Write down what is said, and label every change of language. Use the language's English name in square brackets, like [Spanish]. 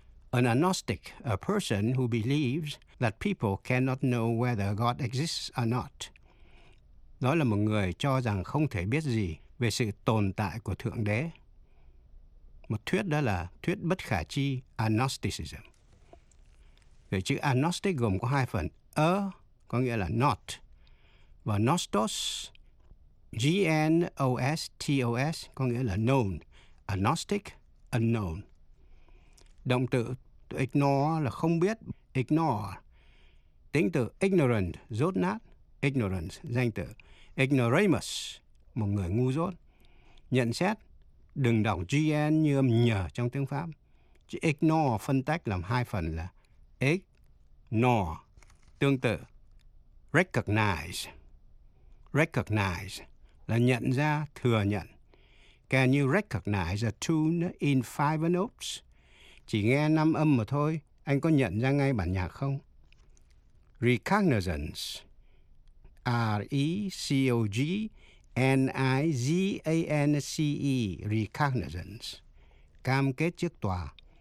[English] An agnostic, a person who believes that people cannot know whether God exists or not. [Vietnamese] Đó là một người cho rằng không thể biết gì về sự tồn tại của Thượng Đế. Một thuyết đó là thuyết bất khả chi, agnosticism. Vậy chữ agnostic gồm có hai phần. A có nghĩa là not. Và nostos, G-N-O-S-T-O-S có nghĩa là known. Agnostic, unknown. Động từ to ignore là không biết, ignore. Tính từ ignorant, dốt nát, ignorance, danh từ. Ignoramus, một người ngu dốt. Nhận xét, đừng đọc GN như âm nhờ trong tiếng Pháp. Chữ ignore phân tách làm hai phần là ignore, tương tự. Recognize, recognize là nhận ra, thừa nhận. [English] Can you recognize a tune in five notes? [Vietnamese] Chỉ nghe năm âm mà thôi, anh có nhận ra ngay bản nhạc không? Recognizance, R-E-C-O-G-N-I-Z-A-N-C-E, recognizance, cam kết trước tòa.